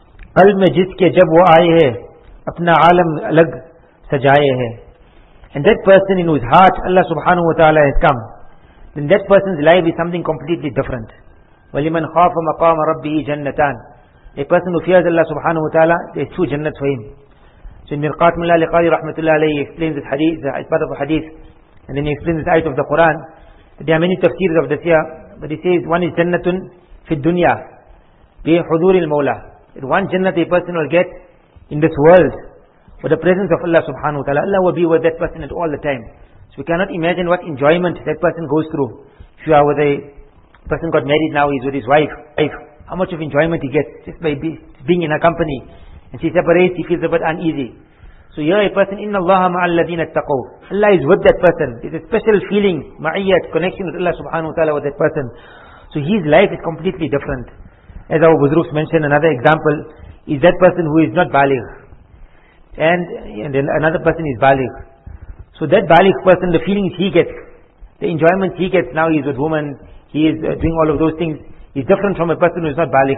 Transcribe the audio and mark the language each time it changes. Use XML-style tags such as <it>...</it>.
<ur>قلب میں جس کے جب وہ آئے ہیں اپنا عالم الگ سجائے ہیں.</ur> <en>And that person in whose heart Allah subhanahu wa ta'ala has come, then that person's life is something completely different.</en> <ar>وَلِمَنْ خَافَ مَقَامَ رَبِّهِ جَنَّتَانَ.</ar> <en>A person who fears Allah subhanahu wa ta'ala, there's two jannat for him. So in Mirqat Mullah Liqari rahmatullah alayhi, he explains this hadith, as part of a hadith, and then he explains this ayat of the Quran. There are many tafsirs of this here, but he says one is</en> <ar>jannatun fi dunya bi huduril mawla.</ar> <en>That one jannat a person will get in this world for the presence of Allah subhanahu wa ta'ala. Allah will be with that person at all the time. So we cannot imagine what enjoyment that person goes through. If you are with a person got married now, he's with his wife. how much of enjoyment he gets just by being in a company. And she separates, he feels a bit uneasy. So here a person,</en> <ar>إِنَّ اللَّهَ مَعَ الَّذِينَ اتَّقُوا.</ar> <en>Allah is with that person. It's a special feeling, ma'iyat, connection with Allah subhanahu wa ta'ala with that person. So his life is completely different. As our Buzrooks mentioned, another example is that person who is not baligh. And then another person is baligh. So that baligh person, the feelings he gets, the enjoyment he gets now, he is with woman, he is doing all of those things, is different from a person who is not baligh.</en>